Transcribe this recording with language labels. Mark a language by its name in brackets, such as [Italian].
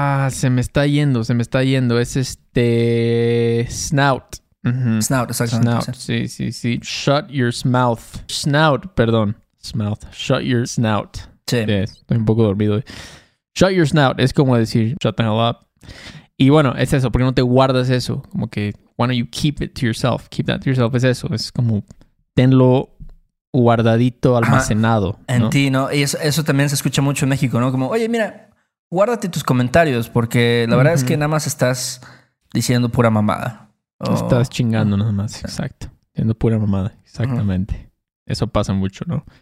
[Spanish] Se me está yendo. Es snout. Uh-huh. Snout, exactamente. [English] Snout, sí. Shut your mouth. Snout, perdón. Shut your snout. [Spanish] Sí. Estoy un poco dormido hoy. [English] Shut your snout. [Spanish] Es como decir, [English] shut the hell up. [Spanish] Y bueno, es eso. ¿Por qué no te guardas eso? Como que, [English] why don't you keep it to yourself? Keep that to yourself. [Spanish] Es eso. Es como, tenlo guardadito, almacenado. Ajá. En ¿no? ti, ¿no? Y eso también se escucha mucho en México, ¿no? Como, oye, mira, guárdate tus comentarios. Porque la uh-huh. verdad es que nada más estás diciendo pura mamada. Oh. Estás chingando nada más. Uh-huh. Exacto. Siendo pura mamada. Exactamente. Uh-huh. Eso pasa mucho, ¿no?